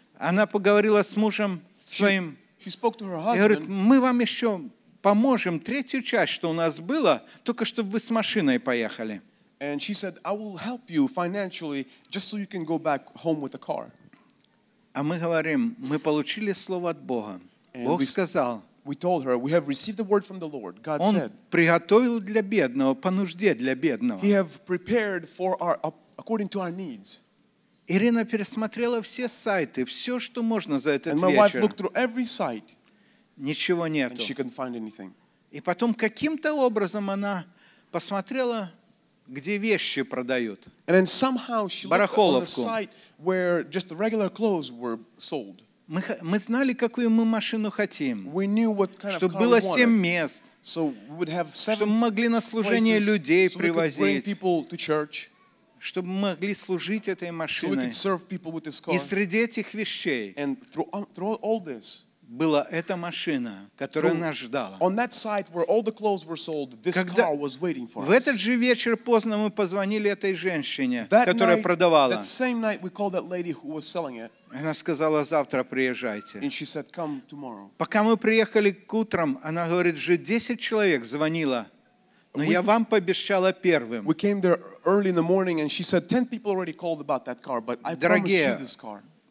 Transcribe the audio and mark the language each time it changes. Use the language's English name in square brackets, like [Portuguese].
[Russian] она поговорила с мужем своим. [English] She husband, [Russian] и говорит, мы вам еще поможем третью часть, что у нас было, только чтобы вы с машиной поехали. [English] And she said, I will help you financially just so you can go back home with a car. [Russian] А мы говорим, мы получили слово от Бога. Бог сказал. [English] We told her, we have received the word from the Lord. God [Russian] Он [English] said, [Russian] приготовил для бедного, по нужде для бедного. [English] He have prepared for our, according to our needs. [Russian] Ирина пересмотрела все сайты, все, что можно за этот вечер. [English] And my wife looked through every site. [Russian] Ничего нету. [English] And she couldn't find anything. [Russian] И потом каким-то образом она посмотрела, где вещи продают. [English] And then somehow she [Russian] барахоловку. [English] Looked on a site where just regular clothes were sold. [Russian] Мы знали, какую мы машину хотим. [English] We knew what kind of car we wanted. [Russian] Чтобы было семь мест. [English] So we would have seven [Russian] чтобы мы могли на служение [English] places, [Russian] людей [English] so [Russian] привозить. [English] We could bring people to church. [Russian] Чтобы мы могли служить этой машиной. [English] So we could serve people with this car. [Russian] И среди этих вещей. [English] And through all this. [Russian] Была эта машина, которая нас ждала. [English] On that site where all the clothes were sold, this car was waiting for us. [Russian] В этот же вечер поздно мы позвонили этой женщине, которая продавала. [English] That same night we called that lady who was selling it. [Russian] Она сказала, завтра приезжайте. [English] And she said, come tomorrow. [Russian] Пока мы приехали к утрам, она говорит, же 10 человек звонило. Но я вам пообещала первым. [English] We came there early in the morning and she said, 10 people already called about that car, but I promised you this car.